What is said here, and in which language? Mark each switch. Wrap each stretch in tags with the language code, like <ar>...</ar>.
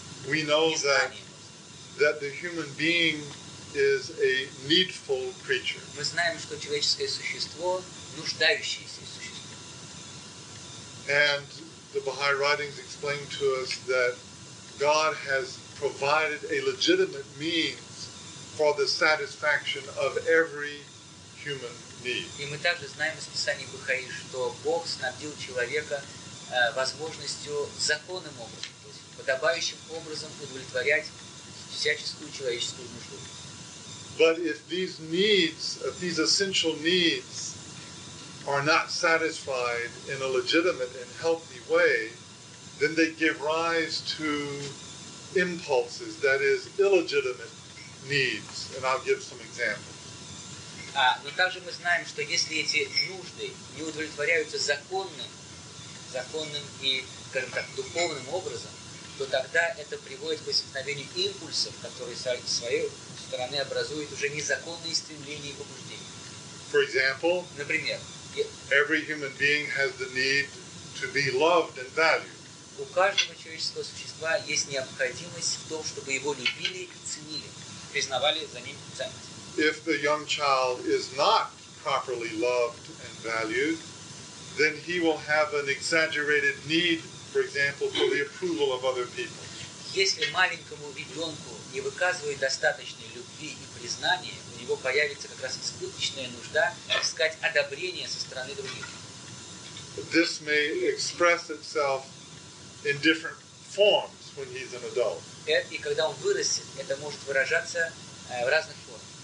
<en>We know that the human being is a needful creature.</en> <ru>Мы знаем, что человеческое существо нуждающееся существо.</ru> <en>And the Baha'i writings explain to us that God has provided a legitimate means for the satisfaction of every human.</en> <ru>И мы также знаем из Писания Бахаи, что Бог снабдил человека возможностью законным образом, то есть подобающим образом удовлетворять всяческую человеческую нужду.</ru> <en>But if these needs, if these essential needs are not satisfied in a legitimate and healthy way, then they give rise to impulses, that is, illegitimate needs. And I'll give some examples.</en> <ru>Но также мы знаем, что если эти нужды не удовлетворяются законным и, скажем так, духовным образом, то тогда это приводит к возникновению импульсов, которые с своей стороны образуют уже незаконные стремления и побуждения.</ru> <en>For example,</en> <ru>например,</ru> <en>every human being has the need to be loved and valued.</en> <ru>У каждого человеческого существа есть необходимость в том, чтобы его любили и ценили, признавали за ним ценность.</ru> <en>If the young child is not properly loved and valued, then he will have an exaggerated need, for example, for the approval of other people.</en> <ru>Если маленькому ребенку не выказывают достаточной любви и признания, у него появится как раз избыточная нужда искать одобрение со стороны других.</ru> <en>This may express itself in different forms when he's an adult.</en> <ru>и когда он вырастет, это может выражаться в разных формах.</ru>